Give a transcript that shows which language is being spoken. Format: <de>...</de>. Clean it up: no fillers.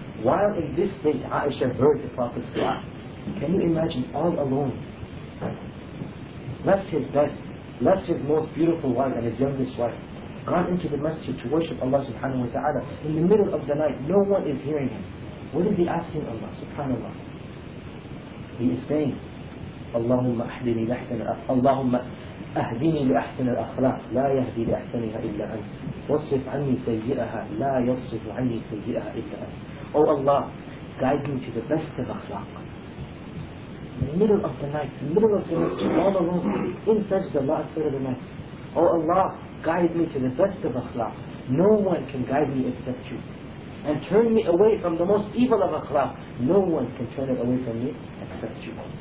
<en>While in this state, Aisha heard the Prophet's dua. Can you imagine, all alone, left his bed, left his most beautiful wife and his youngest wife, gone into the masjid to worship Allah subhanahu wa ta'ala. In the middle of the night, no one is hearing him. What is he asking Allah subhanahu wa ta'ala? He is saying,</en> <ar>Allahumma ahdini lahtan Allahumma أهديني لأحسن الأخلاق لا يهدي لأحسنها إلا أنت واصرف عني سيئها لا يصرف عني سيئها إلا أنت.</ar> <en>Oh Allah, guide me to the best of أخلاق. In the middle of the night, in the middle of the masjid, all alone, in sajda, last sajda of the night. Oh Allah, guide me to the best of أخلاق. No one can guide me except you. And turn me away from the most evil of akhlaq. No one can turn it away from me except you.</en>